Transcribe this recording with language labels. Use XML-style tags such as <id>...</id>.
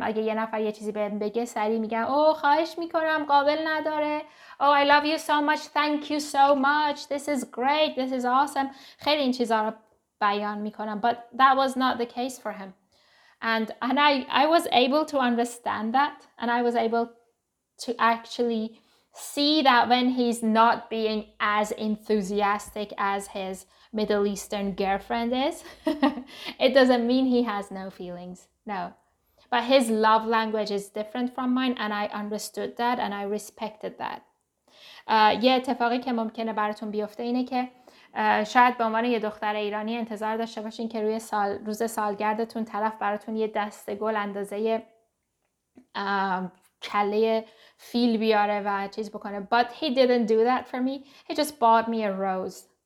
<fa>اگه یه نفر یه چیزی بهم بگه، سریع میگم اوه خواهش میکنم، قابل نداره.</fa> <en>Oh, I love you so much. Thank you so much. This is great. This is awesome.</en> <fa>خیلی این چیزا رو بیان میکنم.</fa> <en>But that was not the case for him. And I was able to understand that. And I was able to actually see that when he's not being as enthusiastic as his Middle Eastern girlfriend is, it doesn't mean he has no feelings. No. But his love language is different from mine. And I understood that. And I respected that.</en> <fa>یه اتفاقی که ممکنه براتون بیفته اینه که شاید به عنوان یه دختر ایرانی انتظار داشته باشین که روی سال روز سالگردتون طرف براتون یه دسته گل اندازه کله فیل بیاره و چیز بکنه.</fa> <en>But he didn't do that for me. He just bought me a rose.</en>